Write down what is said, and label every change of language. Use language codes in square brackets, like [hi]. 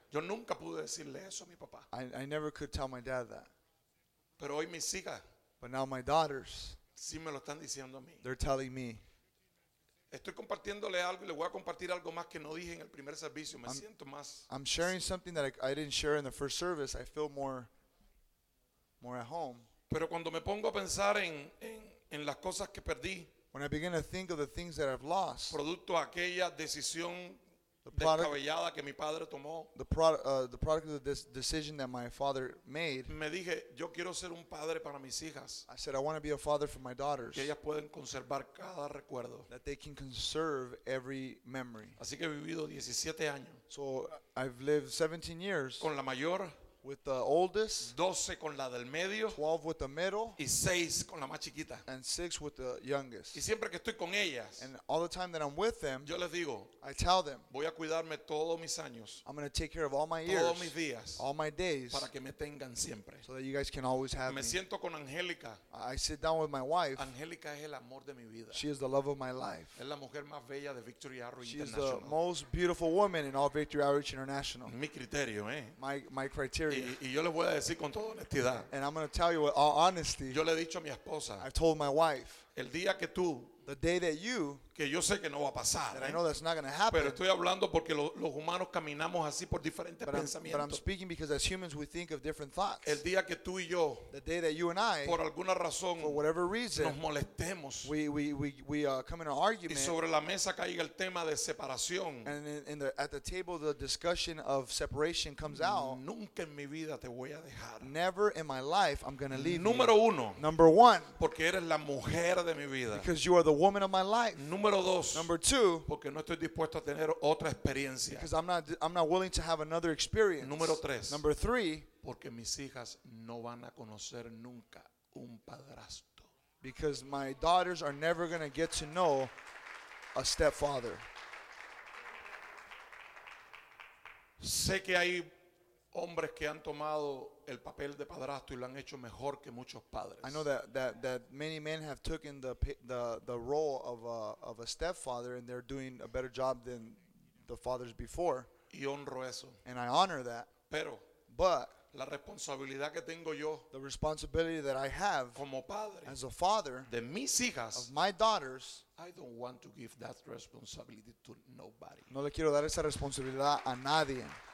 [es] Yo nunca pude decirle eso a mi papá. [en] I never could tell my dad that. [es] Pero hoy mis hijas. [en] But now my daughters. [es] Sí me lo están diciendo a mí. [en] They're telling me. [es] Estoy compartiéndole algo y le voy a compartir algo más que no dije en el primer servicio. Me siento más. [en] I'm sharing something that I didn't share in the first service. I feel more at home. [es] Pero cuando me pongo a pensar en las cosas que perdí. [en] When I begin to think of the things that I've lost. [es] Producto de aquella decisión descabellada que mi padre tomó. [en] The product of this decision that my father made. [es] Me dije, yo quiero ser un padre para mis hijas. [en] I said, I want to be a father for my daughters. [es] Que ellas pueden conservar cada recuerdo. [en] That they can conserve every memory. [es] Así que he vivido 17 años. [en] So I've lived 17 years. [es] Con la mayor. [en] With the oldest. [es] 12 con la del medio. [en] 12 with the middle. [es] Y 6 con la más chiquita. [en] And 6 with the youngest. [es] Y siempre que estoy con ellas. [en] And all the time that I'm with them. [es] Yo les digo. [en] I tell them. [es] Voy a cuidarme todos mis años. [en] I'm going to take care of all my [es] todos [en] years. [es] Todos mis días. [en] All my days. [es] Para que me tengan siempre. [en] So that you guys can always have me. [es] Me siento con Angélica. [en] I sit down with my wife. [es] Angélica es el amor de mi vida. [en] She is the love of my life. [es] Es la mujer más bella de Victory Arrow [en] She International. She is the most beautiful woman in all Victory Arrow International. [es] Mi criterio, eh. [en] My criteria. [es] Y yo le voy a decir con toda honestidad. [en] And I'm going to tell you with all honesty. [es] Yo le he dicho a mi esposa. [en] I told my wife. [es] El día que tú. [en] The day that you. [es] Que yo sé que no va a pasar. [en] That I know that's not going to happen. [es] Pero estoy hablando porque los humanos caminamos así por diferentes pensamientos. [en] But I'm speaking because as humans we think of different thoughts. [es] El día que tú y yo. [en] The day that you and I. [es] Por alguna razón. [en] For whatever reason. [es] Nos molestemos. [en] We come in an argument. [es] Y sobre la mesa caiga el tema de separación. [en] And at the table the discussion of separation comes out. [es] Nunca en mi vida te voy a dejar. [en] Never in my life I'm going to leave you. [es] Número uno. [en] Number one. [es] Porque eres la mujer de mi vida. [en] Because you are the woman of my life. [es] Número dos. [en] Number two. [es] Porque no estoy dispuesto a tener otra experiencia. [en] Because I'm not willing to have another experience. [es] Número tres. [en] Number three. [es] Porque mis hijas no van a conocer nunca un padrastro. [en] Because my daughters are never going to get to know a stepfather. [es] Sé que hay hombres que han tomado el papel de padrastro y lo han hecho mejor que muchos padres. [en] I know that many men have taken the role of a stepfather and they're doing a better job than the fathers before. [es] Y honro eso. [en] And I honor that. [es] Pero [en] but [es] la responsabilidad que tengo yo, [en] the responsibility that I have [es] como padre, [en] as a father [es] de mis hijas, [en] of my daughters, I don't want to give that responsibility to nobody. [es] No le quiero dar esa responsabilidad a nadie.